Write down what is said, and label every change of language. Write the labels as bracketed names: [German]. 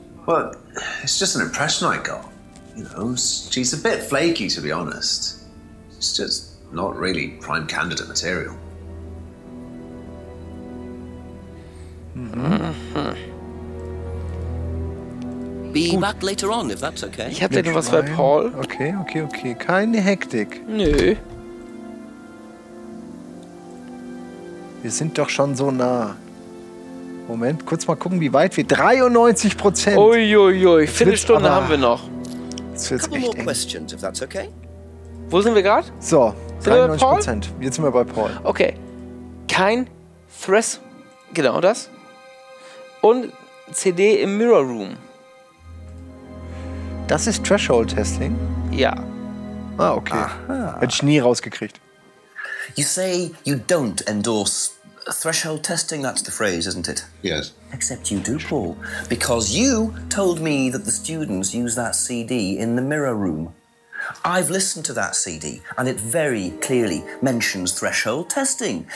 [English] Well, it's just an impression I got. You know, she's a bit flaky, to be honest. She's just not really prime candidate material. Mm-hmm. Be gut. Back later on, if that's okay. [German] Ich hatte irgendwas bei Paul. Okay, okay, okay. Keine Hektik. Nö. Wir sind doch schon so nah. Moment, kurz mal gucken, wie weit wir... 93%! Uiuiui, Viertelstunde haben wir noch. Jetzt wird's echt eng. [English] Questions, if that's okay. [German] Wo sind wir gerade? So, 93%. Jetzt sind wir bei Paul. Okay. Kein Thress... Genau das. Und CD im Mirror Room. Das ist Threshold Testing? Ja. Ah, okay. Hätte ich nie rausgekriegt. [English] You say you don't endorse... Threshold testing, that's the phrase, isn't it? Yes. Except you do, Paul. Because you told me that the students use that CD in the mirror room. I've listened to that CD, and it very clearly mentions threshold testing.